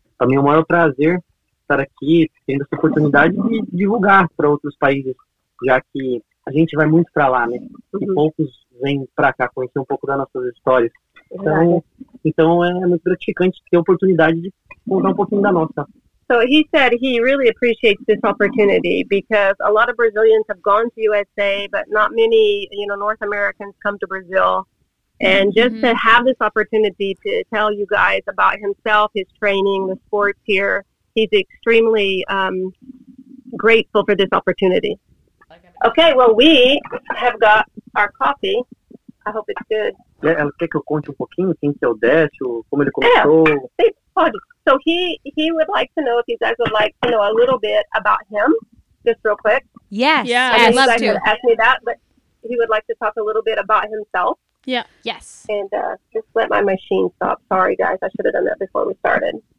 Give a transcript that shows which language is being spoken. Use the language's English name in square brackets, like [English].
[Portuguese] Para mim é o maior prazer estar aqui tendo essa oportunidade de divulgar para outros países, já que a gente vai muito para lá, né? E poucos vêm para cá conhecer um pouco das nossas histórias. Então é muito gratificante ter a oportunidade de contar um pouquinho da nossa. [English] So he said he really appreciates this opportunity because a lot of Brazilians have gone to USA, but not many, you know, North Americans come to Brazil. And just mm-hmm. to have this opportunity to tell you guys about himself, his training, the sports here, he's extremely grateful for this opportunity. Okay, well, we have got our coffee. I hope it's good. [Portuguese] Yeah, ela quer que eu conte um pouquinho quem que é o Décio, como ele começou. [English] Yeah. So he would like to know if you guys would like to know a little bit about him, just real quick. Yes, yeah, I'd love to. You guys have asked me that, but he would like to talk a little bit about himself. Yeah, yes. And just let my machine stop. Sorry, guys. I should have done that before we started.